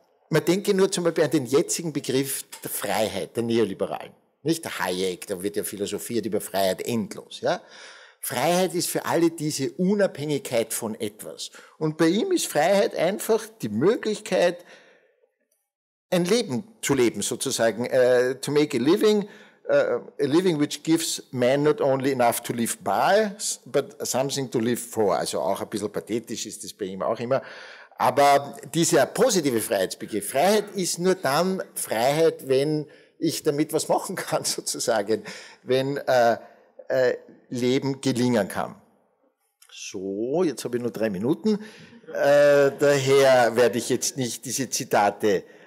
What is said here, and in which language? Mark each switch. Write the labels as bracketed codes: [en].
[de] Man denke nur zum Beispiel an den jetzigen Begriff der Freiheit, der Neoliberalen. Nicht der Hayek, da wird ja philosophiert über Freiheit endlos. Ja? Freiheit ist für alle diese Unabhängigkeit von etwas. Und bei ihm ist Freiheit einfach die Möglichkeit, ein Leben zu leben, sozusagen. [en] To make a living which gives man not only enough to live by, but something to live for. [de] Also auch ein bisschen pathetisch ist das bei ihm auch immer. Aber dieser positive Freiheitsbegriff, Freiheit ist nur dann Freiheit, wenn ich damit was machen kann, sozusagen, wenn Leben gelingen kann. So, jetzt habe ich nur 3 Minuten. Daher werde ich jetzt nicht diese Zitate